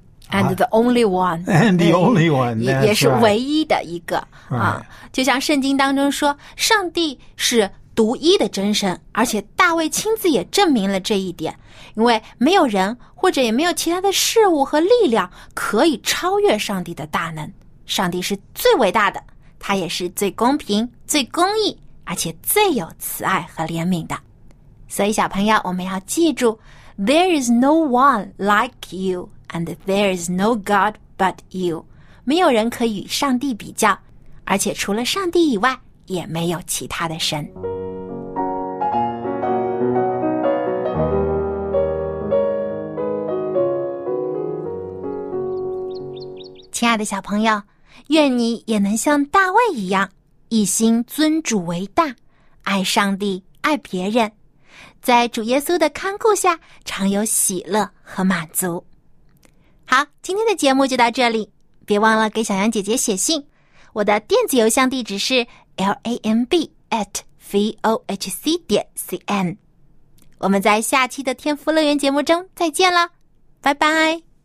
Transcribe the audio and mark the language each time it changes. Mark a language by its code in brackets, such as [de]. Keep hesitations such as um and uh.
[en] ，and the only one，and、啊、the only one， [zh] 也也是唯一的一个啊！就像圣经当中说，上帝是独一的真神，而且大卫亲自也证明了这一点，因为没有人或者也没有其他的事物和力量可以超越上帝的大能。上帝是最伟大的，他也是最公平、最公义，而且最有慈爱和怜悯的。所以，小朋友，我们要记住。 [en] There is no one like you, and there is no God but you。 [zh] 没有人可与上帝比较，而且除了上帝以外，也没有其他的神。亲爱的小朋友，愿你也能像大卫一样，一心尊主为大，爱上帝，爱别人。在主耶稣的看顾下，常有喜乐和满足。好，今天的节目就到这里，别忘了给小羊姐姐写信。我的电子邮箱地址是 l a m b at v o h c 点 c n。我们在下期的天赋乐园节目中再见了，拜拜。